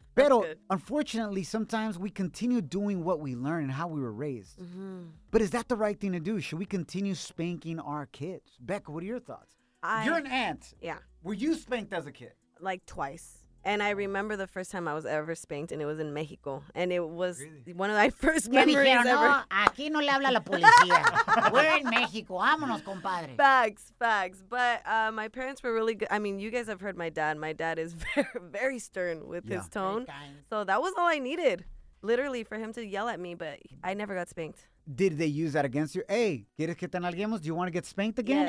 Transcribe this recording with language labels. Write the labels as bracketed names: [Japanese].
[Spanish] Pero [English] unfortunately, sometimes we continue doing what we learn and how we were raised. Mm-hmm. But is that the right thing to do? Should we continue spanking our kids? Becca, what are your thoughts? You're an aunt. Yeah. Were you spanked as a kid? Like twice. And I remember the first time I was ever spanked, and it was in Mexico. And it was really? One of my first memories [Spanish] dijeron, No, aquí no le habla la policía. [English] We're in Mexico. [Spanish] Vámonos, compadre. [English] Facts, facts. But my parents were really good. I mean, you guys have heard my dad. My dad is very, very stern with his tone. So that was all I needed, literally, for him to yell at me. But I never got spanked. Did they use that against you? Hey, [Spanish] ¿quieres que te nalguemos? [English] Do you want to get spanked again?